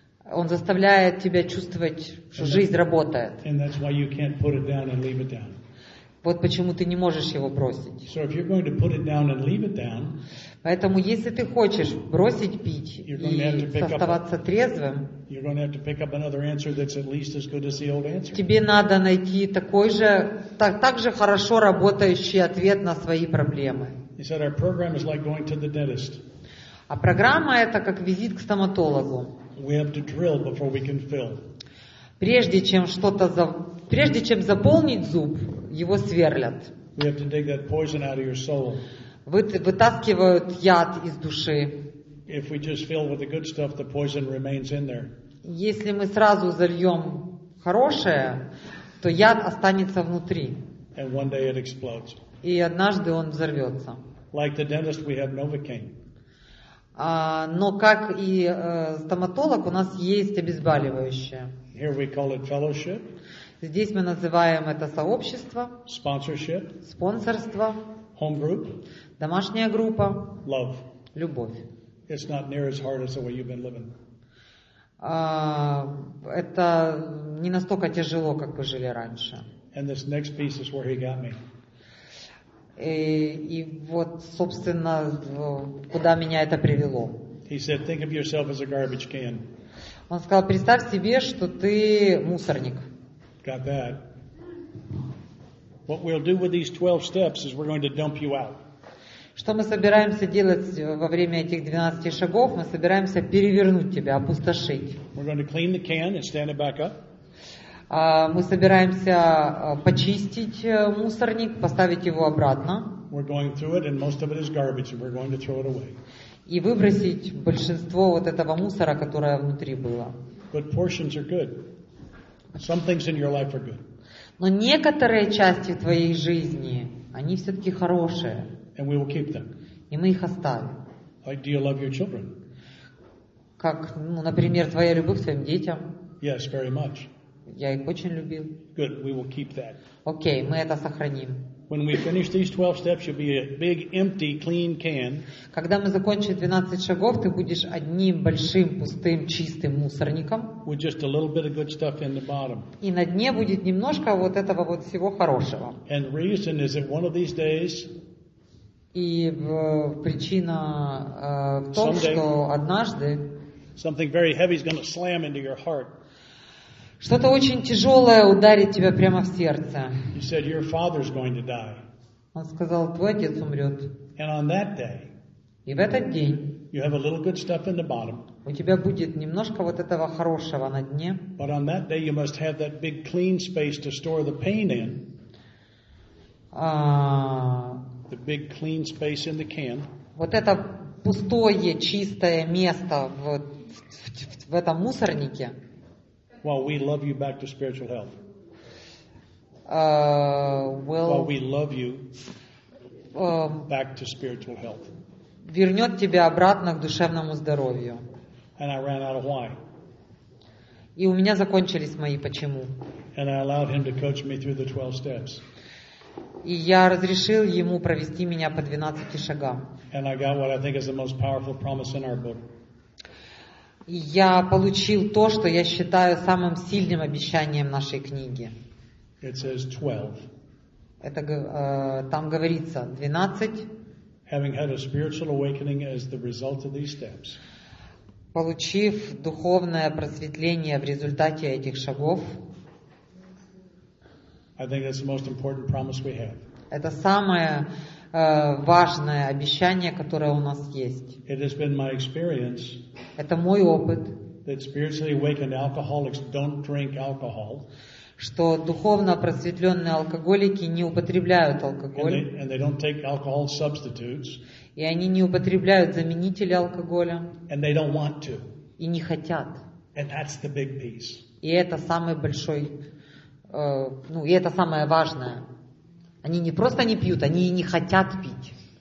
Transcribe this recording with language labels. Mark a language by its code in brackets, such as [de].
[ru] Он заставляет тебя чувствовать, что жизнь работает. [en] And that's why you can't put it down and leave it down. [ru] Вот почему ты не можешь его бросить. [en] So if you're going to put it down and leave it down, [ru] поэтому если ты хочешь бросить пить и оставаться трезвым, [en] you're going to have to pick up another answer that's at least as good as the old answer. [ru] Тебе надо найти такой же, так же хорошо работающий ответ на свои проблемы. [en] He said our program is like going to the dentist. [ru] А программа это как визит к стоматологу. [en] We have to drill before we can fill. [ru] Прежде чем что-то прежде чем заполнить зуб, его сверлят. [en] We have to dig that poison out of your soul. [ru] Вытаскивают яд из души. [en] If we just fill with the good stuff, the poison remains in there. [ru] Если мы сразу зальем хорошее, то яд останется внутри. [en] And one day it explodes. [ru] И однажды он взорвется. [en] Like the dentist, we have Novocaine. [ru] Но как и стоматолог, у нас есть обезболивающее. [en] Here we call it fellowship. [ru] Здесь мы называем это сообщество. [en] Sponsorship. [ru] Спонсорство. [en] Home group. [ru] Домашняя группа. [en] Love. [ru] Любовь. [en] It's not near as hard as the way you've been living. [ru] Это не настолько тяжело, как вы жили раньше. [en] And this next piece is where he got me. [ru] И вот, собственно, куда меня это привело. [en] He said, think of yourself as a garbage can. [ru] Он сказал, представь себе, что ты мусорник. [en] Got that. What we'll do with these 12 steps is we're going to dump you out. [ru] Что мы собираемся делать во время этих 12 шагов? Мы собираемся перевернуть тебя, опустошить. [en] We're going to clean the can and stand it back up. [ru] Мы собираемся почистить мусорник, поставить его обратно. [en] We're going through it, and most of it is garbage, and we're going to throw it away. [ru] И выбросить большинство вот этого мусора, которое внутри было. [en] But portions are good. Some things in your life are good. [ru] Но некоторые части твоей жизни, они все-таки хорошие. [en] And we will keep them. [ru] И мы их оставим. [en] Like, do you love your children? [ru] Как, ну, например, твоя любовь к твоим детям? [en] Yes, very much. [ru] Я их очень любил. [en] Good, we will keep that. [ru] Окей, мы это сохраним. [en] When we finish these 12 steps, you'll be a big, empty, clean can. [ru] Когда мы закончим 12 шагов, ты будешь одним большим, пустым, чистым мусорником. [en] With just a little bit of good stuff in the bottom. [ru] И на дне будет немножко вот этого вот всего хорошего. [en] And the reason is that one of these days, [ru] и причина в том, что однажды [en] something very heavy is going to slam into your heart. [ru] Что-то очень тяжелое ударит тебя прямо в сердце. [en] He said, your father's going to die. [ru] Он сказал, твой отец умрет. [en] And on that day, [ru] и в этот день [en] you have a little good stuff in the bottom. [ru] У тебя будет немножко вот этого хорошего на дне. [en] But on that day you must have that big clean space to store the pain in. The big clean space in the can. [ru] Вот это пустое, чистое место в этом мусорнике. [en] While we love you back to spiritual health. While we love you back to spiritual health. [ru] Вернет тебя обратно к душевному здоровью. [en] And I ran out of why. [ru] И у меня закончились мои почему. [en] And I allowed him to coach me through the 12 steps. [ru] И я разрешил ему провести меня по 12 шагам. [en] And I got what I think is the most powerful promise in our book. [ru] Я получил то, что я считаю самым сильным обещанием нашей книги. [en] It says 12. [ru] Это там говорится 12. [en] Having had a spiritual awakening as the result of these steps. [ru] Получив духовное просветление в результате этих шагов. [en] I think that's the most important promise we have. [ru] Это самое важное обещание, которое у нас есть. [en] It has been my experience. [ru] Это мой опыт. [en] That spiritually awakened alcoholics don't drink alcohol. [ru] Что духовно просветленные алкоголики не употребляют алкоголь. [en] And they don't take alcohol substitutes. [ru] И они не употребляют заменители алкоголя. [en] And they don't want to. [ru] И не хотят. [en] And that's the big piece. [ru] И это самый большой, и это самое важное. Они не просто не пьют, они и не хотят пить.